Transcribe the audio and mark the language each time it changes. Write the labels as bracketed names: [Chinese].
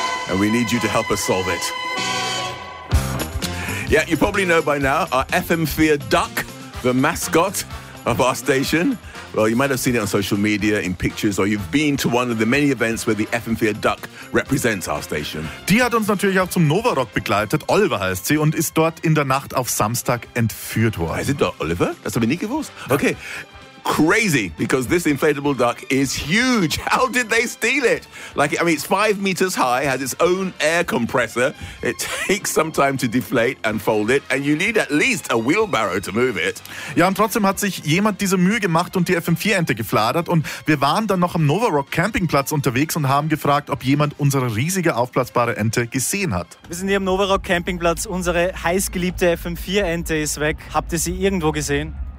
[English] And we need you to help us solve it. Yeah, you probably know by now our FM Fear duck, the mascot of our station. Well, you might have seen it on social media, in pictures, or you've been to one of the many events where the FM4 Duck represents our station. [German] Die hat uns natürlich auch zum Nova Rock begleitet. Oliver heißt sie und ist dort in der Nacht auf Samstag entführt worden. Heißt sie dort Oliver? Das habe ich nie gewusst. Ja. Okay. [English] Crazy, because this inflatable duck is huge. How did they steal it? It's 5 meters high, has its own air compressor. It takes some time to deflate and fold it, and you need at least a wheelbarrow to move it. [German] Ja, und trotzdem hat sich jemand diese Mühe gemacht und die FM4-Ente gefladert. Und wir waren dann noch am Nova Rock Campingplatz unterwegs und haben gefragt, ob jemand unsere riesige aufblasbare Ente gesehen hat. Wir sind hier am Nova Rock Campingplatz. Unsere heißgeliebte FM4-Ente ist weg. Habt ihr sie irgendwo gesehen?